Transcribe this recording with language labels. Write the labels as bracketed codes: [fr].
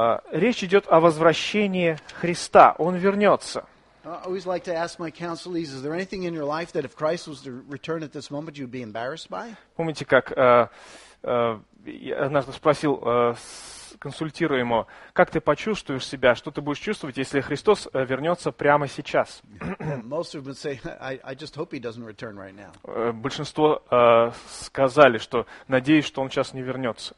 [ru] Речь идет о возвращении Христа. Он вернется. [en] I always like to ask my counselees, is there anything in your life that if Christ was to return at this moment, you'd be embarrassed by? [ru] Помните, как я однажды спросил консультируемого, как ты почувствуешь себя, что ты будешь чувствовать, если Христос вернется прямо сейчас? [en] Most of them say, I just hope he doesn't return right now. [ru] Большинство сказали, что надеюсь, что он сейчас не вернется.